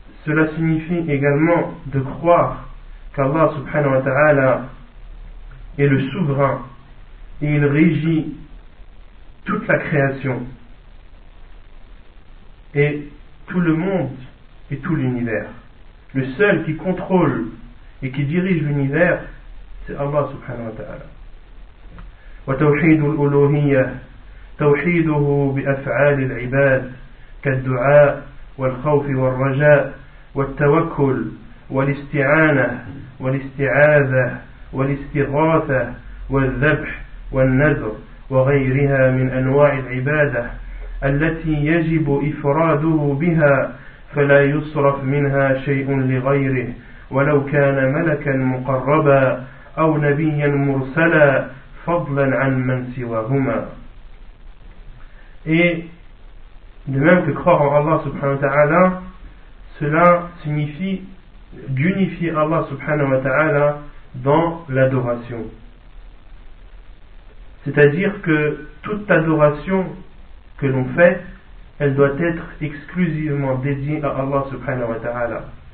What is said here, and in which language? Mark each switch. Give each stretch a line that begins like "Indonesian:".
French: Cela signifie également de croire qu'Allah subhanahu wa ta'ala est le souverain et il régit toute la création et tout le monde et tout l'univers. Le seul qui contrôle et qui dirige l'univers, c'est Allah subhanahu wa ta'ala.
Arabic: Wa tawhid al-uluhiyya tawhiduhu bi af'al al-ibad kad-du'a wal-khawf wal-raja والتوكل والاستعانة والاستعاذة والاستغاثة والذبح والنذر وغيرها من أنواع العبادة التي يجب إفراده بها فلا يصرف منها شيء لغيره ولو كان ملكا مقربا أو نبيا مرسلا فضلا عن من سواهما. الله سبحانه وتعالى
French: Cela signifie d'unifier Allah subhanahu wa ta'ala dans l'adoration. C'est-à-dire que toute adoration que l'on fait, elle doit être exclusivement dédiée à Allah subhanahu wa ta'ala.